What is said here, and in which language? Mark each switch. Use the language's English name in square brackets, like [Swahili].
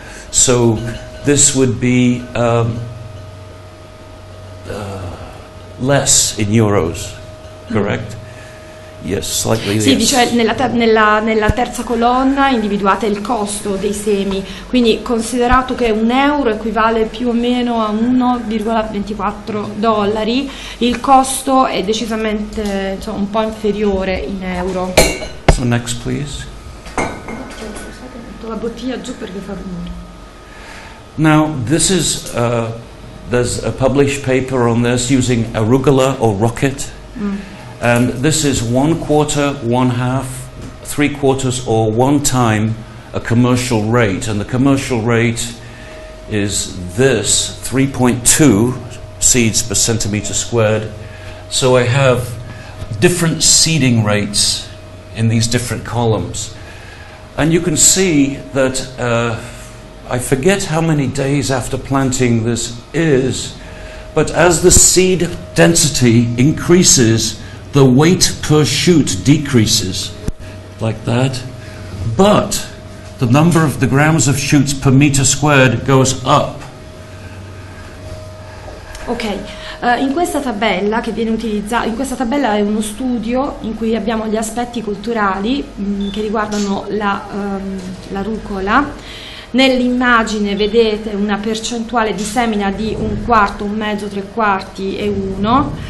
[English] So this would be less in euros, correct? Yes, slightly less. [Italian] Sì, dice nella terza colonna individuate il costo dei semi, quindi considerato che un euro equivale più o meno a $1.24, il costo è decisamente, insomma, un po' inferiore in euro. [English] So next, please. [Italian] Metto la bottiglia giù perché fa rumore. [English] Now, this is there's a published paper on this using arugula or rocket. And this is one quarter, one half, three quarters, or one time a commercial rate. And the commercial rate is this, 3.2 seeds per centimeter squared. So I have different seeding rates in these different columns. And you can see that I forget how many days after planting this is, but as the seed density increases, the weight per shoot decreases, like that. But the number of the grams of shoots per meter squared goes up. Okay. [Italian] In questa tabella che viene utilizzata, in questa tabella è uno studio in cui abbiamo gli aspetti culturali che riguardano la rucola. Nell'immagine vedete una percentuale di semina di un quarto, un mezzo, tre quarti e uno.